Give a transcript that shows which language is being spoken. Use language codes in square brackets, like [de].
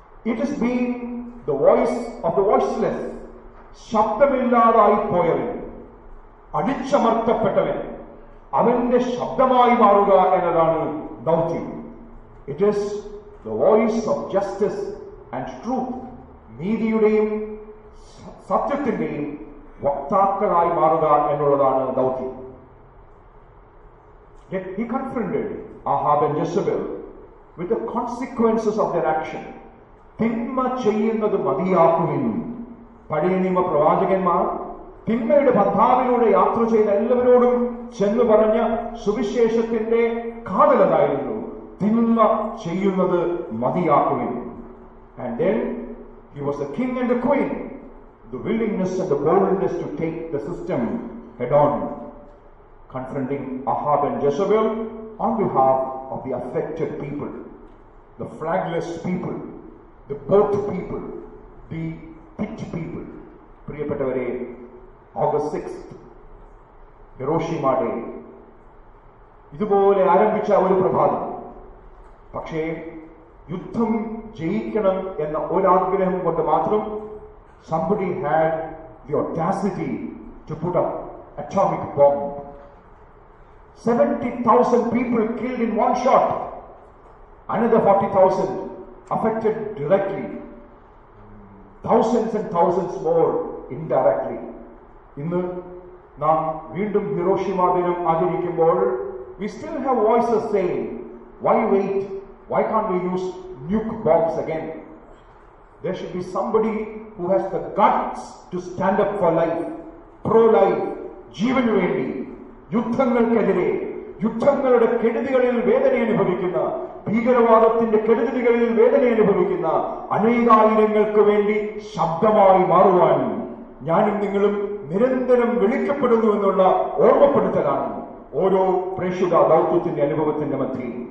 [en] it is being the voice of the voiceless, [ml] ശബ്ദമില്ലാതായിപ്പോയവൻ, അടിച്ചമർത്തപ്പെട്ടവൻ, അവന്റെ ശബ്ദമായി മാറുക എന്നതാണ് ദൗത്യം. [en] it is the voice of justice and truth, [ml] നീതിയുടെയും സത്യത്തിന്റെയും വക്താക്കളായി മാറുക എന്നുള്ളതാണ് ദൗത്യം. [en] Yet he confronted Ahab and Jezebel with the consequences of their action. [ml] തിന്മ ചെയ്യുന്നത് മതിയാക്കുമെന്നും പഴയ നിയമ പ്രവാചകന്മാർ തിന്മയുടെ ഭർത്താവിലൂടെ യാത്ര ചെയ്ത എല്ലാവരോടും ചെന്ന് പറഞ്ഞ സുവിശേഷത്തിന്റെ കാതലതായിരുന്നു, തിന്മ ചെയ്യുന്നത് മതിയാക്കുമെന്നും. [en] And then he was the king and the queen. The willingness and the boldness to take the system head on, confronting Ahab and Jezebel on behalf of the affected people, the flagless people, the boat people, the pit people. Priyapettavare, August 6th, Hiroshima Day. [ml] ഇതുപോലെ ആരംഭിച്ച ഒരു പ്രഭാതം, പക്ഷേ യുദ്ധം ജയിക്കണം എന്ന ഒരാഗ്രഹം കൊണ്ട് മാത്രം [en] somebody had the audacity to put up atomic bomb. 70,000 people killed in one shot, another 40,000 affected directly, thousands and thousands more indirectly. [ml] ഇന്ന് നാം വീണ്ടും ഹിരോഷിമ ദിനം ആചരിക്കുമ്പോൾ, [en] we still have voices saying, why wait, why can't we use nuke bombs again? There should be somebody who has the guts to stand up for life, pro-life, [ml] ജീവനു വേണ്ടി, യുദ്ധങ്ങൾക്കെതിരെ, യുദ്ധങ്ങളുടെ കെടുതികളിൽ വേദന അനുഭവിക്കുന്ന, ഭീകരവാദത്തിന്റെ കെടുതികളിൽ വേദന അനുഭവിക്കുന്ന അനേകായിരങ്ങൾക്ക് വേണ്ടി ശബ്ദമായി മാറുവാൻ ഞാനും നിങ്ങളും നിരന്തരം വിളിക്കപ്പെടുന്നു എന്നുള്ള ഓർമ്മപ്പെടുത്തലാണ് ഓരോ പ്രേക്ഷക ദൗത്യത്തിന്റെ അനുഭവത്തിന്റെ മധ്യ.